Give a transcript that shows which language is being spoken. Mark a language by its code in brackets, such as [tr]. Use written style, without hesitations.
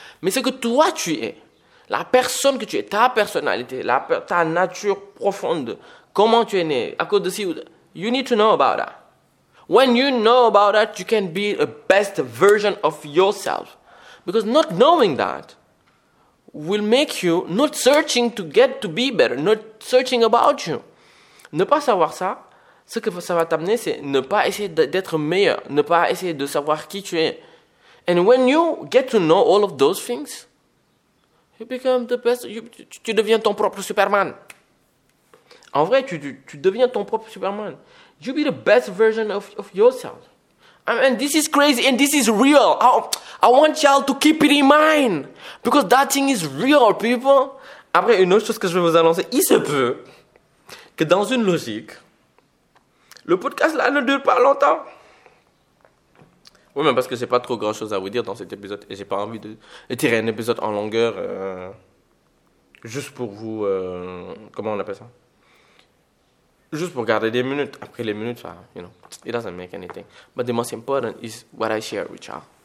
[fr] Mais ce que toi tu es, la personne que tu es, ta personnalité, ta nature profonde, comment tu es né, à cause de ci ou de... [en] You need to know about that. When you know about that, you can be a best version of yourself. Because not knowing that will make you not searching to get to be better, not searching about you. [fr] Ne pas savoir ça, ce que ça va t'amener, c'est ne pas essayer d'être meilleur, ne pas essayer de savoir qui tu es. [en] And when you get to know all of those things, you become the best, [fr] tu deviens ton propre Superman. En vrai, tu deviens ton propre Superman. [en] You be the best version of yourself. And this is crazy and this is real. I want y'all to keep it in mind. Because that thing is real, people. [fr] Après, une autre chose que je vais vous annoncer, il se peut que dans une logique, le podcast là ne dure pas longtemps. Oui, mais parce que j'ai pas trop grand chose à vous dire dans cet épisode et j'ai pas envie de tirer un épisode en longueur juste pour vous. Comment on appelle ça? Juste pour garder des minutes. Après les minutes, ça, [en] you know, it doesn't make anything. But the most important is what I share with y'all.